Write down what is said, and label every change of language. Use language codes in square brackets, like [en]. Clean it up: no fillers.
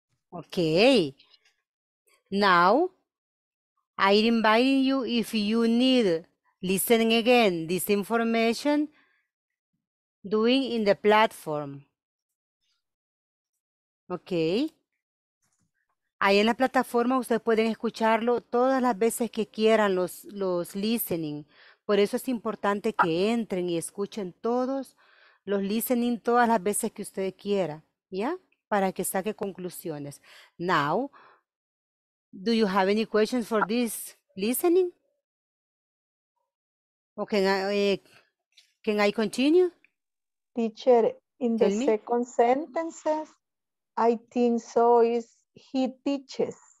[en] Okay. Now, I invite you, if you need listening again, this information, doing in the platform. Okay. [es] Ahí en la plataforma ustedes pueden escucharlo todas las veces que quieran los listening. Por eso es importante que entren y escuchen todos los listening todas las veces que usted quiera, ¿ya? Para que saque conclusiones. [en] Now, do you have any questions for this listening? Or can I continue? Teacher, in Tell the me. Second sentences, I think so is He teaches.